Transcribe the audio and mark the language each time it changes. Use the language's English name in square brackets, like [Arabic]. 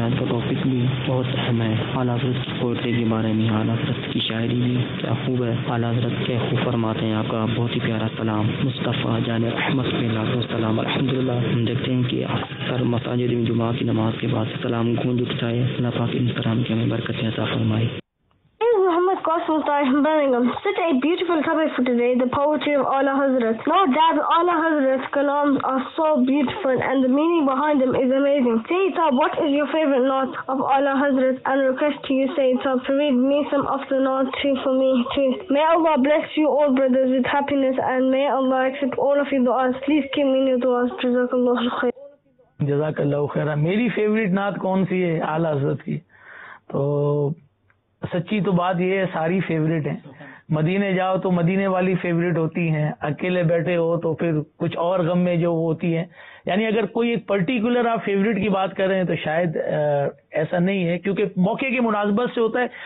[Urdu] آج کا ٹاپک بھی بہت اہم ہے, اعلیٰ حضرت پوئٹری کے بارے میں, اعلیٰ حضرت کی شاعری بھی کیا خوب ہے. اعلیٰ حضرت کے خوب فرماتے ہیں آپ کا بہت ہی پیارا سلام مصطفیٰ جان رحمت پہ لاکھوں سلام. الحمد للہ ہم دیکھتے ہیں کہ اکثر مساجد میں جمعہ کی نماز کے بعد سلام گونج اٹھتا ہے. اللہ پاک ان سلام کی ہمیں برکتیں عطا فرمائی. [English] رحمت Gospel Star from Birmingham. Such a beautiful topic for today, the poetry of Ala Hazrat. No doubt Ala Hazrat's kalams are so beautiful and the meaning behind them is amazing. Sayyid Saab, what is your favorite knot of Ala Hazrat? And request to you, Sayyid Saab, to read me some of the knots too for me too. May Allah bless you all brothers with happiness and may Allah accept all of your du'as. Please keep me in your du'as. Jazakallah khair. [Urdu] جزاک اللہ خیر. میری favourite نعت کون سی ہے اعلیٰ حضرت کی؟ تو سچی تو بات یہ ہے ساری فیوریٹ ہیں. مدینے جاؤ تو مدینے والی فیوریٹ ہوتی ہیں, اکیلے بیٹھے ہو تو پھر کچھ اور غم میں جو ہوتی ہیں. یعنی اگر کوئی ایک پرٹیکولر آپ فیوریٹ کی بات کر رہے ہیں تو شاید ایسا نہیں ہے, کیونکہ موقع کی مناسبت سے ہوتا ہے.